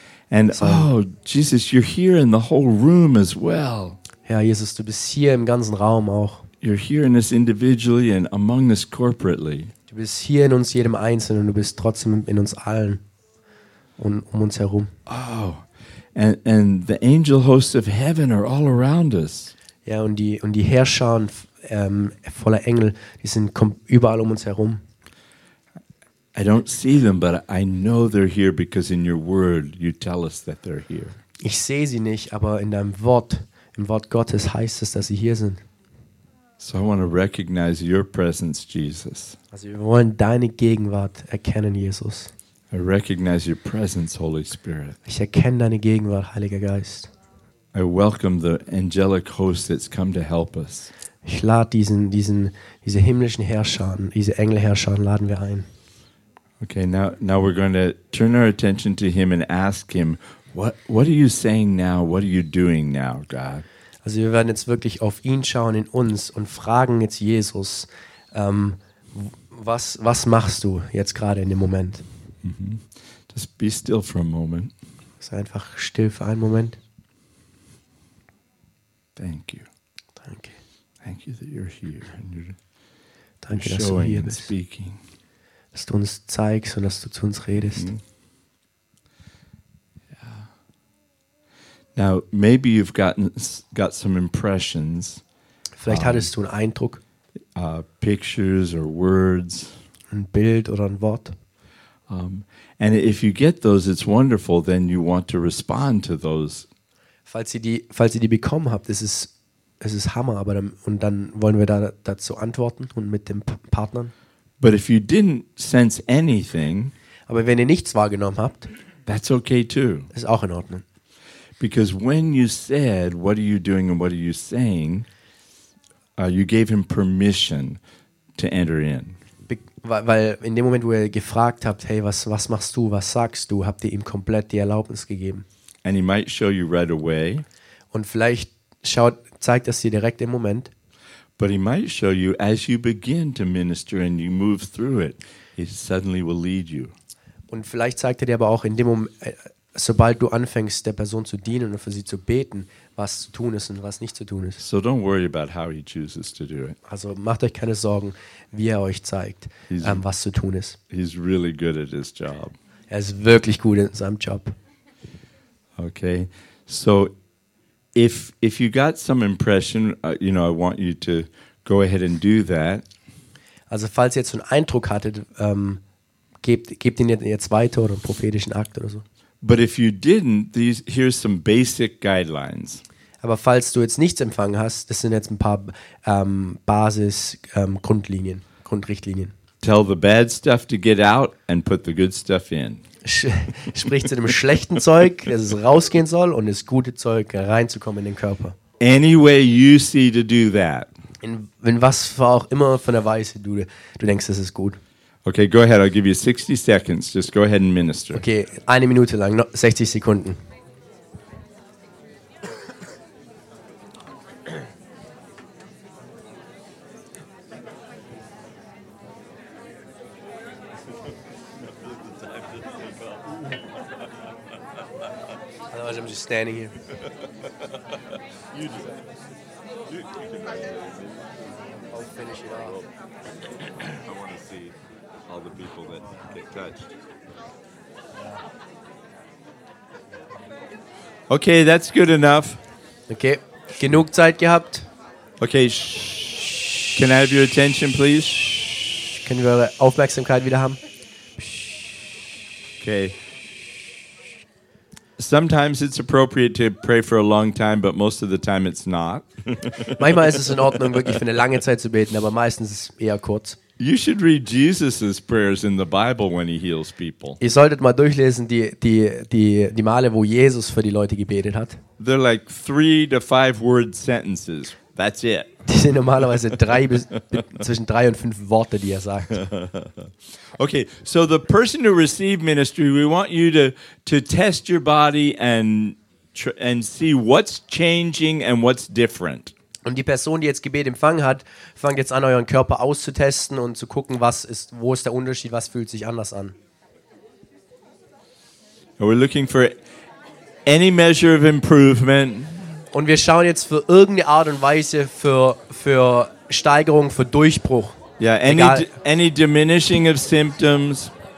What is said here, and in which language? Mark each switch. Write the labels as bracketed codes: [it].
[en] And so. Oh, Jesus, you're here in the whole room as well. [de] Ja, Jesus, du bist hier im ganzen Raum auch. [en] You're here in us individually and among us corporately. [de] Du bist hier in uns jedem Einzelnen und du bist trotzdem in uns allen und um uns herum. [en] Oh, and the angel hosts of heaven are all around us. [de] Ja, und die Herrscher voller Engel, die sind überall um uns herum. [en] I don't see them, but I know they're here because in your word you tell us that they're here. [de] Ich sehe sie nicht, aber in deinem Wort, im Wort Gottes heißt es, dass sie hier sind. [en] So I want to recognize your presence, Jesus. [de] Also wir wollen deine Gegenwart erkennen, Jesus. [en] I recognize your presence, Holy Spirit. [de] Ich erkenne deine Gegenwart, Heiliger Geist. [en] I welcome the angelic host that's come to help us. [de] Ich lade diese himmlischen Herrscher, diese Engelherrscher, laden wir ein. [en] Okay, now we're going to turn our attention to him and ask him, what are you saying now? What are you doing now, God? [de] Also wir werden jetzt wirklich auf ihn schauen, in uns, und fragen jetzt Jesus, was machst du jetzt gerade in dem Moment? Mm-hmm. [en] Just be still for a moment. [de] Sei einfach still für einen Moment. [en] Thank you. [de] Danke. [en] Thank you that you're here and you're [de] Danke, dass du hier bist. [en] Speaking. [de] Dass du uns zeigst und dass du zu uns redest. Mm-hmm. [en] Now maybe you've got some impressions. [de] Vielleicht hattest du einen Eindruck. [en] Pictures or words. [de] Ein Bild oder ein Wort. [en] And if you get those, it's wonderful. Then you want to respond to those. [de] Falls ihr die bekommen habt, es ist Hammer. Aber dann wollen wir dazu antworten und mit dem Partnern. [en] But if you didn't sense anything. [de] Aber wenn ihr nichts wahrgenommen habt, [en] that's okay too. [de] Ist auch in Ordnung. [en] Because when you said, what are you doing and what are you saying, you gave him permission to enter in. [de] Weil in dem Moment, wo ihr gefragt habt, hey, was machst du, was sagst du, habt ihr ihm komplett die Erlaubnis gegeben. [en] And he might show you right away. [de] Und vielleicht zeigt das dir direkt im Moment. [en] But he might show you as you begin to minister and you move through it, he suddenly will lead you. [de] Und vielleicht zeigt er dir aber auch in dem Moment, sobald du anfängst, der Person zu dienen und für sie zu beten, was zu tun ist und was nicht zu tun ist. [en] So don't worry about how he chooses to do it. [de] Also macht euch keine Sorgen, wie er euch zeigt, was zu tun ist. [en] He's really good at his job. [de] Er ist wirklich gut in seinem Job. [en] Okay, so if you got some impression, you know, I want you to go ahead and do that. [de] Also falls ihr jetzt so einen Eindruck hattet, gebt ihn jetzt weiter oder einen prophetischen Akt oder so. [en] But if you didn't, here's some basic guidelines. [de] Aber falls du jetzt nichts empfangen hast, das sind jetzt ein paar Grundlinien, Grundrichtlinien. [en] Tell the bad stuff to get out and put the good stuff in. [de] Sprich zu dem schlechten Zeug, dass es rausgehen soll, und das gute Zeug reinzukommen in den Körper. [en] Any way you see to do that. [de] In was für auch immer von der Weise du denkst, das ist gut. [en] Okay, go ahead. I'll give you 60 seconds. Just go ahead and minister. [de] Okay, eine Minute lang, 60 Sekunden. [en] Otherwise, I'm just standing here. You do. I'll finish it off. I want to see all the people that get touched. Okay, that's good enough. [de] Okay, genug Zeit gehabt. [en] Okay, can I have your attention, please? [de] Können wir eure Aufmerksamkeit wieder haben? [en] Okay. Sometimes it's appropriate to pray for a long time, but most of the time it's not. [de] Manchmal ist es in Ordnung, wirklich für eine lange Zeit zu beten, aber meistens ist es eher kurz. [en] You should read Jesus's prayers in the Bible when he heals people. [de] Ihr solltet mal durchlesen die Male, wo Jesus für die Leute gebetet hat. [en] They're like 3 to 5 word sentences. That's it. [de] Die sind normalerweise zwischen 3 und 5 Worte, die er sagt. [en] Okay, so the person who received ministry, we want you to test your body and see what's changing and what's different. [de] Und die Person, die jetzt Gebet empfangen hat, fängt jetzt an, euren Körper auszutesten und zu gucken, wo ist der Unterschied, was fühlt sich anders an. [en] We're looking for any measure of improvement. [de] Und wir schauen jetzt für irgendeine Art und Weise für Steigerung, für Durchbruch. [en] Ja, yeah, any diminishing of symptoms.